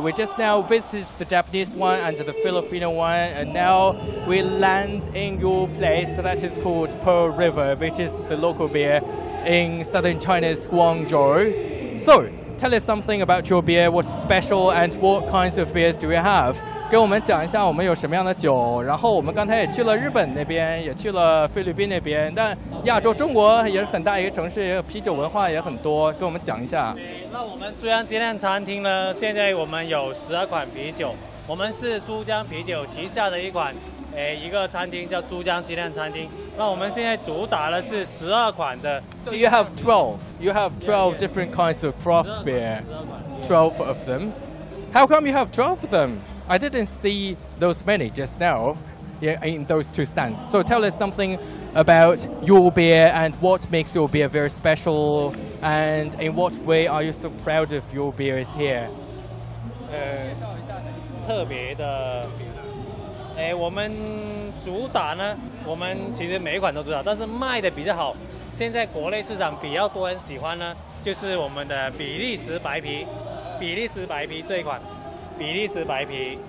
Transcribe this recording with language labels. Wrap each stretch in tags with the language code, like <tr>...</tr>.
<en>We just now visited the Japanese one and the Filipino one, and now we land in your place that is called Pearl River, which is the local beer in southern China's Guangzhou. So, tell us something about your beer, what's special, and what kinds of beers do we have?</en> <zh>给我们讲一下我们有什么样的酒，然后我们刚才也去了日本那边，也去了菲律宾那边，但亚洲中国也是很大一个城市，啤酒文化也很多，给我们讲一下。那我们珠江精酿餐厅呢，现在我们有12款啤酒，我们是珠江啤酒旗下的一款，一个餐厅叫珠江精酿餐厅。那我们现在主打的是12款的。</zh> <en>So you have 12. You have 12 different kinds of craft beer. 12 of them. How come you have 12 of them? I didn't see those many just now in those two stands. So tell us something about your beer and what makes your beer very special and in what way are you so proud of your beer is here?</en> <zh>特别的我们主打呢，我们其实每一款都主打，但是卖的比较好。现在国内市场比较多人喜欢呢，就是我们的比利时白啤，比利时白啤这一款，比利时白啤。</zh>